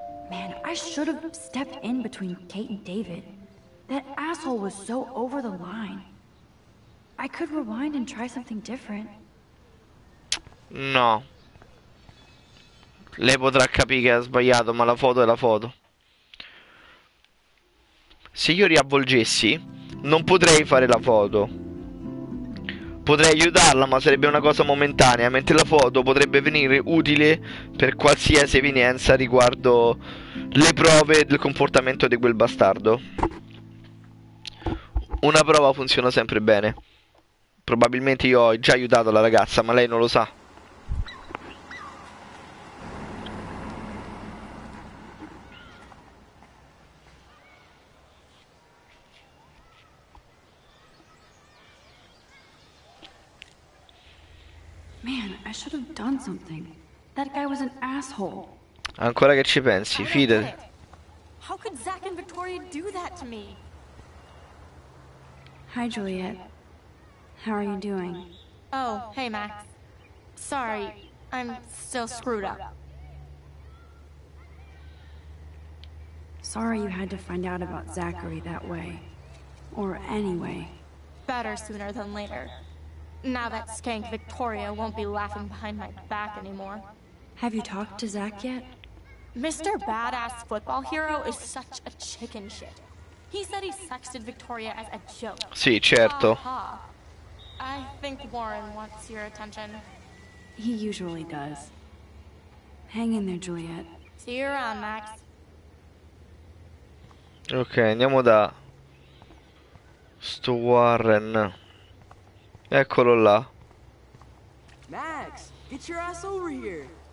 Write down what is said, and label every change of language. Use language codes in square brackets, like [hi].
[en] Man, I should have stepped in between Kate and David. That asshole was so over the line. I could rewind and try something different. No. [it] Lei potrà capire che ha sbagliato, ma la foto è la foto. Se io riavvolgessi, non potrei fare la foto. Potrei aiutarla, ma sarebbe una cosa momentanea, mentre la foto potrebbe venire utile per qualsiasi evidenza riguardo le prove del comportamento di quel bastardo. Una prova funziona sempre bene. Probabilmente io ho già aiutato la ragazza, ma lei non lo sa. [en] Man, I should have done something. That guy was an asshole. [it] Ancora che ci pensi, fidati. [en] How could Zach and Victoria do that to me? Hi, Juliet. How are you doing? Oh, hey, Max. Sorry, I'm still screwed up. Sorry you had to find out about Zachary that way. Or anyway. Better sooner than later. Now that skank Victoria won't be laughing behind my back anymore. Have you talked to Zach yet? Mr. Badass Football Hero is such a chicken shit. He said he sexted Victoria as a joke. [it] Sì, certo. [en] I think Warren wants your attention. He usually does. Hang in there, Juliet. See you around, Max. [it] Ok, andiamo da sto Warren. Eccolo là. [en] Max, get your ass over here.